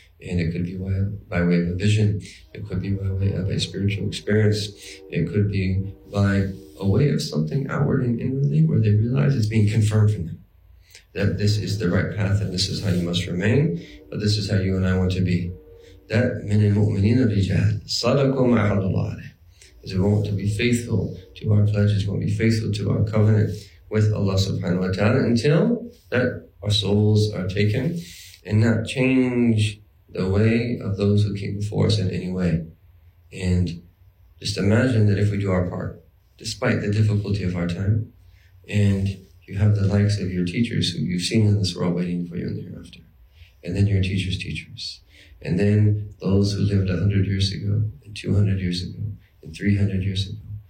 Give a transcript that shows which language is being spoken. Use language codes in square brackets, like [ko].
[en] And it could be by way of a vision. It could be by way of a spiritual experience. It could be by a way of something outward and inwardly where they realize it's being confirmed for them. That this is the right path and this is how you must remain. But this is how you and I want to be. That [ar] من المؤمنين الرجال صدقوا ما عهد الله عليه. [en] Is we want to be faithful to our pledges, we want to be faithful to our covenant with Allah subhanahu wa ta'ala until that our souls are taken and not change the way of those who came before us in any way. And just imagine that if we do our part, despite the difficulty of our time, and you have the likes of your teachers who you've seen in this world waiting for you in the hereafter, and then your teachers' teachers, and then those who lived 100 years ago, and 200 years ago, and 300 years ago.